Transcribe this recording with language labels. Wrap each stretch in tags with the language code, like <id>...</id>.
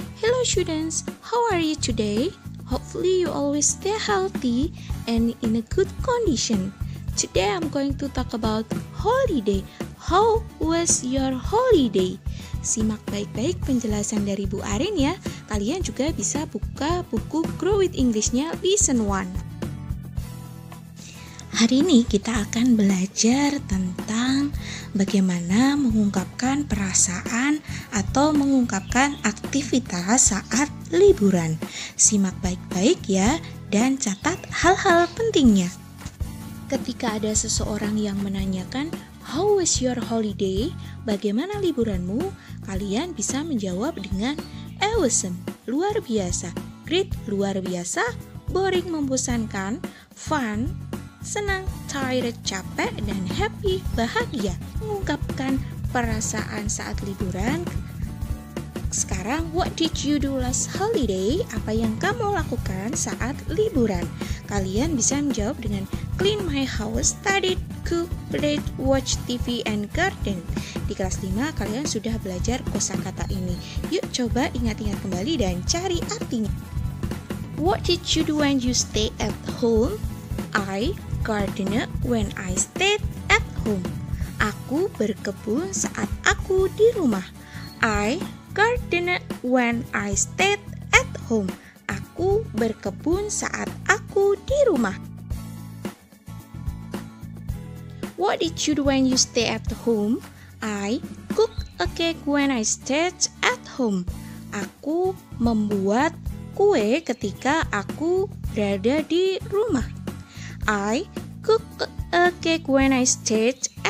<en>Hello students, how are you today? Hopefully you always stay healthy and in a good condition. Today I'm going to talk about holiday. How was your holiday?</en> <id>Simak baik-baik penjelasan dari Bu Arin ya. Kalian juga bisa buka buku Grow with English-nya Lesson 1. Hari ini kita akan belajar tentang bagaimana mengungkapkan perasaan atau mengungkapkan aktivitas saat liburan. Simak baik-baik ya, dan catat hal-hal pentingnya. Ketika ada seseorang yang menanyakan,</id> <en>"How was your holiday?"</en> <id>Bagaimana liburanmu? Kalian bisa menjawab dengan "Awesome," luar biasa, "Great," luar biasa, "Boring," membosankan, "Fun," senang, tired, capek, dan happy, bahagia. Mengungkapkan perasaan saat liburan.</id> <en>Sekarang, what did you do last holiday?</en> <id>Apa yang kamu lakukan saat liburan? Kalian bisa menjawab dengan</id> <en>clean my house, studied, cook, played, watch TV, and garden.</en> <id>Di kelas 5, kalian sudah belajar kosakata ini. Yuk, coba ingat-ingat kembali dan cari artinya.</id> <en>What did you do when you stay at home? I gardener when I stayed at home.</en> <id>Aku berkebun saat aku di rumah.</id> <en>I gardener when I stayed at home.</en> <id>Aku berkebun saat aku di rumah.</id> <en>What did you do when you stay at home? I cook a cake when I stayed at home.</en> <id>Aku membuat kue ketika aku berada di rumah.</id> <en>I cook a cake when I stayed</en>